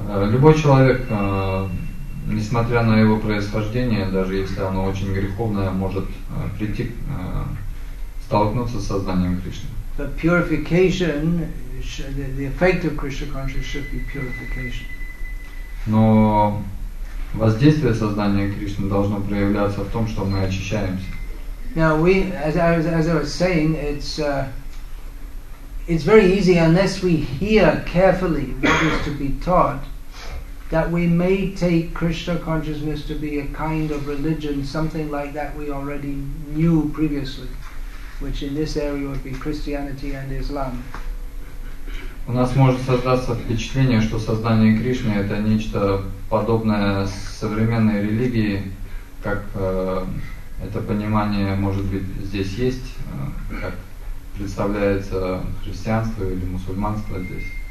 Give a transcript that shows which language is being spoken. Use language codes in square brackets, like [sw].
[ru] Любой человек, несмотря на его происхождение, даже если оно очень греховное, может прийти, столкнуться с сознанием Кришны. [en] The purification, the effect of Krishna consciousness should be purification. [ru] Но воздействие сознания Кришны должно проявляться в том, что мы очищаемся. [en] Now we, as I was saying, it's very easy unless we hear carefully what is to be taught. That we may take Krishna consciousness to be a kind of religion, something like that we already knew previously, which in this area would be Christianity and Islam. [ru] У нас может создаться впечатление, что сознание Кришны это нечто подобное современной религии, как это понимание может быть здесь есть, как представляется христианство или мусульманство здесь.